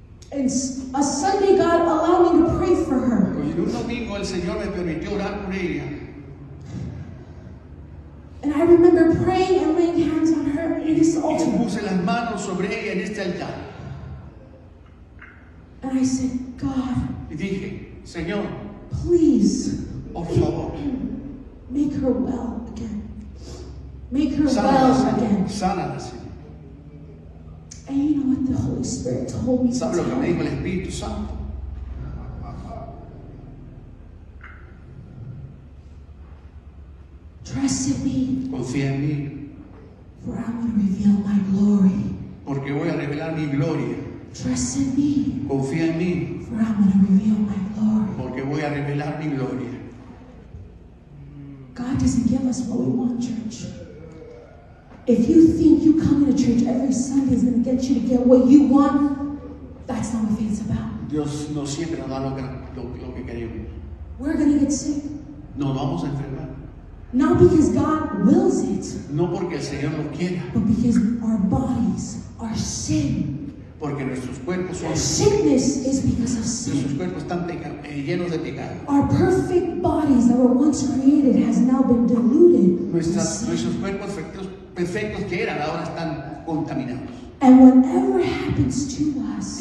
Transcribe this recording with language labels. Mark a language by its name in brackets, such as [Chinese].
[English] And a Sunday God allowed me to pray for her. [Spanish] Y un domingo el Señor me permitió orar por ella. [English] And I remember praying and laying hands on her in this altar. [Spanish] Y puse las manos sobre ella en este altar. [English] And I said, God. [Spanish] Y dije, Señor. [English] Please. [Spanish] Por favor. [English] Make her well again. Make her well again. [Spanish] Sánala. [English] And you know what the Holy Spirit told me. [Spanish] ¿Sabes lo que me dijo el Espíritu Santo? [English] Trust in me. [Spanish] Confía en mí. [English] For I want to reveal my glory. [Spanish] Porque voy a revelar mi gloria. [English] Trust in me. [Spanish] Confía en mí. [English] For I want to reveal my glory. [Spanish] Porque voy a revelar mi gloria. [English] God doesn't give us what we want, church. If you think you come to church every Sunday is going to get you to get what you want, that's not what faith is about. [Spanish] Dios no siempre nos da lo que queremos. [English] We're going to get sick. [Spanish] No, vamos a enfermar. [English] Not because God wills it. [Spanish] No porque el Señor lo quiera. [English] But because our bodies are sin. [Spanish] Porque nuestros cuerpos son. [English] Sickness is because of sin. [Spanish] Nuestros cuerpos están llenos de pecado. [English] Our perfect bodies that were once created has now been diluted. [Spanish] Nuestros cuerpos perfectos que eran ahora están contaminados. [English] And whatever happens to us.